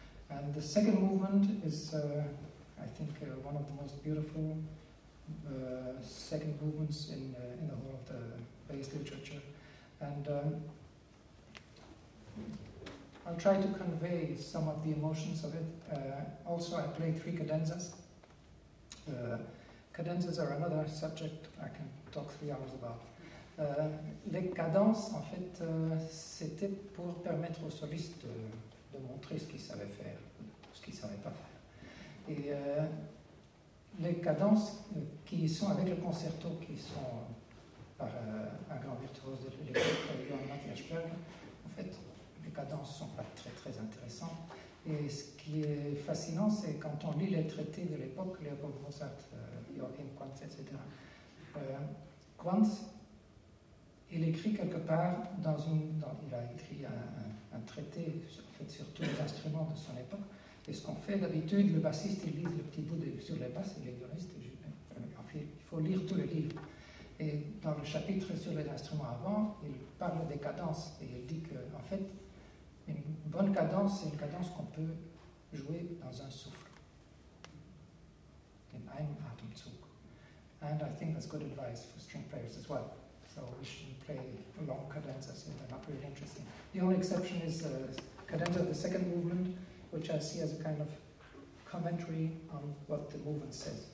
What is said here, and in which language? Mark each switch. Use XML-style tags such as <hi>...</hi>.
<en>And the second movement is, I think, one of the most beautiful second movements in the whole of the bass literature. And I'll try to convey some of the emotions of it. Also, I play three cadenzas. Cadenzas are another subject I can talk 3 hours about.</en> <fr>Les cadences, en fait, c'était pour permettre aux solistes de montrer ce qu'ils savaient faire, ce qu'ils ne savaient pas faire. Et les cadences qui sont avec le concerto, qui sont par un grand virtuose de l'époque, Johann Matthias Berg, en fait, les cadences ne sont pas très, très intéressantes. Et ce qui est fascinant, c'est quand on lit les traités de l'époque, Leopold Mozart, Joachim Quantz, etc., Quantz, il écrit quelque part, il a écrit un traité en fait, sur tous les instruments de son époque. Et ce qu'on fait d'habitude, le bassiste, il lit le petit bout sur les basses, et les violistes, il faut lire tout le livre. Et dans le chapitre sur les instruments avant, il parle des cadences. Et il dit qu'en en fait, une bonne cadence, c'est une cadence qu'on peut jouer dans un souffle.</fr> <de>In einem Atemzug.</de> <en>And I think that's good advice for string players as well. So we shouldn't play long cadenzas, so they're not really interesting. The only exception is the cadenza of the second movement, which I see as a kind of commentary on what the movement says.</en>